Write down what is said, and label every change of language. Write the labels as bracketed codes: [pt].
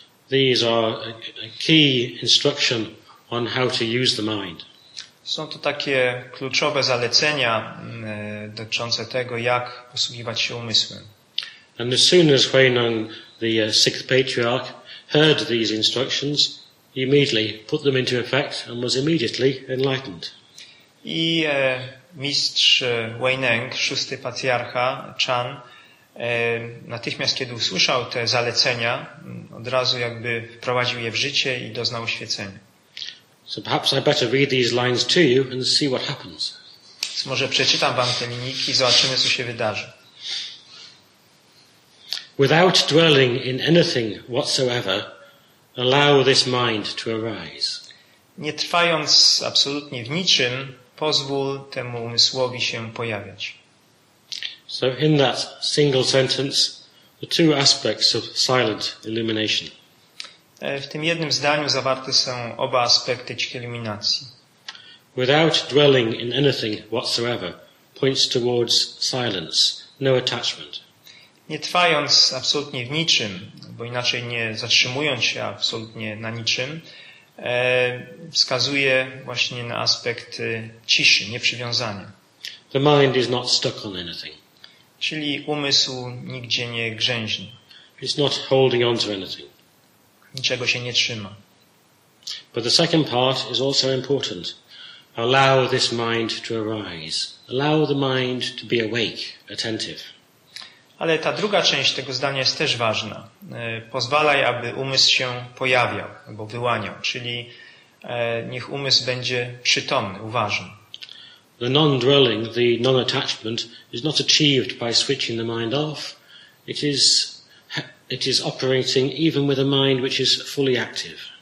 [en] These are a key instruction on how to use the mind. [pl] Są to takie kluczowe zalecenia dotyczące tego, jak posługiwać się umysłem. [en] And as soon as Huineng, the sixth patriarch, heard these instructions, he immediately put them into effect and was immediately enlightened. [pl] I mistrz Huineng, szósty patriarcha Chan, natychmiast kiedy usłyszał te zalecenia, od razu jakby wprowadził je w życie i doznał oświecenia. [en] So perhaps I better read these lines to you and see what happens. [pl] So może przeczytam wam te linijki i zobaczymy, co się wydarzy. [en] Without dwelling in anything whatsoever, allow this mind to arise. [pl] Nie trwając absolutnie w niczym, pozwól temu umysłowi się pojawiać. [en] So in that single sentence, the two aspects of silent illumination. [pl] W tym jednym zdaniu zawarte są oba aspekty cichej iluminacji. [en] Without dwelling in anything whatsoever points towards silence, no attachment. [pl] Nie trwając absolutnie w niczym, bo inaczej nie zatrzymując się absolutnie na niczym, wskazuje właśnie na aspekt ciszy, nieprzywiązania. [en] The mind is not stuck on anything. [pl] Czyli umysł nigdzie nie grzęźni. [en] It's not holding on to anything. [pl] Niczego się nie trzyma. [en] But the second part is also important. Allow this mind to arise. Allow the mind to be awake, attentive. [pl] Ale ta druga część tego zdania jest też ważna. Pozwalaj, aby umysł się pojawiał albo wyłaniał. Czyli niech umysł będzie przytomny, uważny. [en] The non-dwelling, the non-attachment is not achieved by switching the mind off. It is operating even with a mind which is fully active.